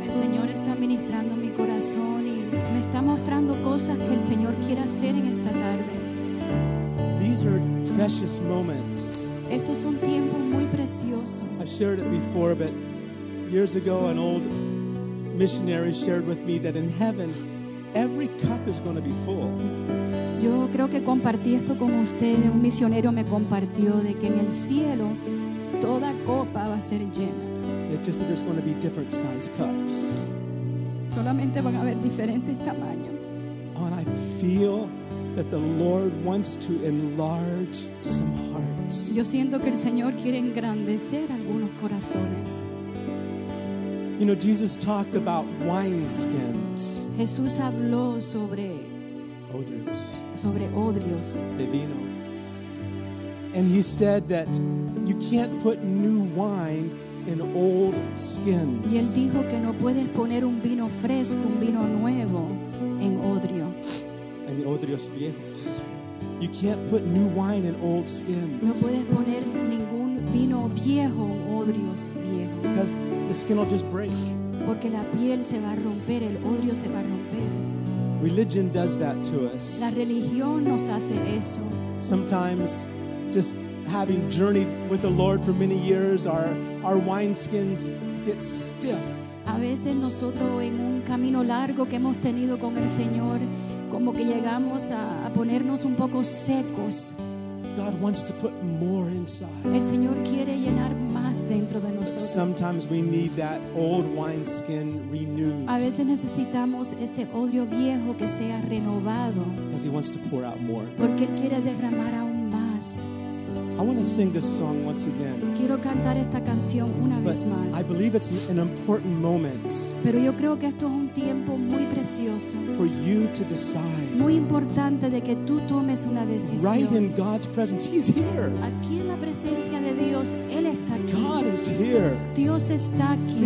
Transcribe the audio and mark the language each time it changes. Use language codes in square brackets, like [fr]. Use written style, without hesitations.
[es] El Señor está ministrando mi corazón y me está mostrando cosas que el Señor quiere hacer en esta tarde. [en] These are precious moments. [es] Estos son tiempos muy preciosos. [en] I've shared it before, but years ago, an old missionary shared with me that in heaven, every cup is going to be full. [es] Yo creo que compartí esto con ustedes. Un misionero me compartió de que en el cielo toda copa va a ser llena. [en] It's just that there's going to be different size cups. [es] Solamente van a haber diferentes tamaños. [en] And I feel that the Lord wants to enlarge some hearts. [es] Yo siento que el Señor quiere engrandecer algunos corazones. [en] You know, Jesus talked about wineskins. [es] Jesús habló sobre odres. Sobre odrios. De vino. [en] And he said that you can't put new wine in old skins. [es] Y él dijo que no puedes poner un vino fresco, un vino nuevo, en odrio. En odrios viejos. [en] You can't put new wine in old skins. [es] No puedes poner ningún vino viejo, odrios viejos. [en] Because the skin will just break. [es] Porque la piel se va a romper, el odrio se va a romper. [en] Religion does that to us. [es] La religión nos hace eso. [en] Sometimes, just having journeyed with the Lord for many years, our wineskins get stiff. [es] A veces nosotros en un camino largo que hemos tenido con el Señor, como que llegamos a ponernos un poco secos. [en] God wants to put more inside. [es] El Señor quiere llenar más dentro de nosotros. [en] But sometimes we need that old wineskin renewed. [es] A veces necesitamos ese odio viejo que sea renovado. [en] Because He wants to pour out more. [es] Porque Él quiere derramar aún más. [en] I want to sing this song once again. [es] Quiero cantar esta canción una vez más. [en] I believe it's an important moment. [es] Pero yo creo que esto es un tiempo muy precioso. [en] For you to decide. [es] Muy importante de que tú tomes una decisión. [en] Right in God's presence, He's here. [es] Aquí en la presencia de Dios, Él está aquí. [en] God is here. [es] Dios está aquí.